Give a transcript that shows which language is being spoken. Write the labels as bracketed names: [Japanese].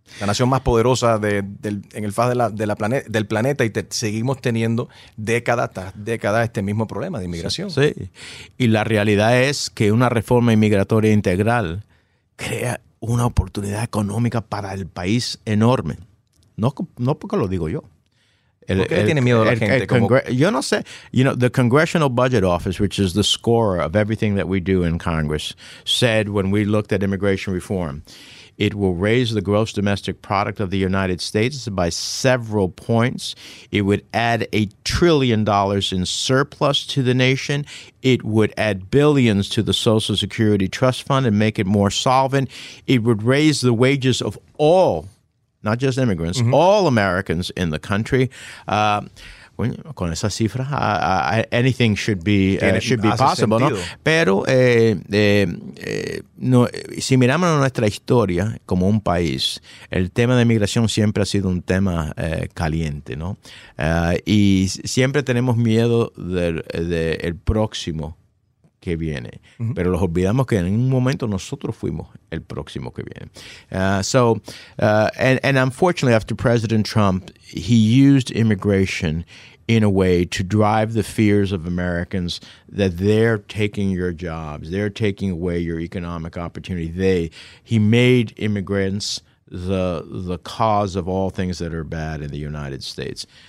[Spanish] La nación más poderosa del planeta y seguimos teniendo décadas tras décadas este mismo problema de inmigración. Sí, sí, y la realidad es que una reforma inmigratoria integral crea una oportunidad económica para el país enorme. No porque lo digo yo. ¿Por qué tiene miedo la gente? Yo no sé. [English] You know, the Congressional Budget Office, which is the scorer of everything that we do in Congress, said when we looked at immigration reform, it will raise the gross domestic product of the United States by several points. It would add $1 trillion in surplus to the nation. It would add billions to the Social Security Trust Fund and make it more solvent. It would raise the wages of all, not just immigrants, mm-hmm. all Americans in the country. [Spanish] Con esa cifra, [English] anything should be possible, ¿no? [Spanish] Pero no, si miramos nuestra historia como un país, el tema de migración siempre ha sido un tema caliente, ¿no? Y siempre tenemos miedo del próximo que viene. Uh-huh. Pero nos olvidamos que en un momento nosotros fuimos el próximo que viene. [English] And unfortunately, after President Trump, he used immigration in a way to drive the fears of Americans that they're taking your jobs, they're taking away your economic opportunity. He made immigrants the cause of all things that are bad in the United States.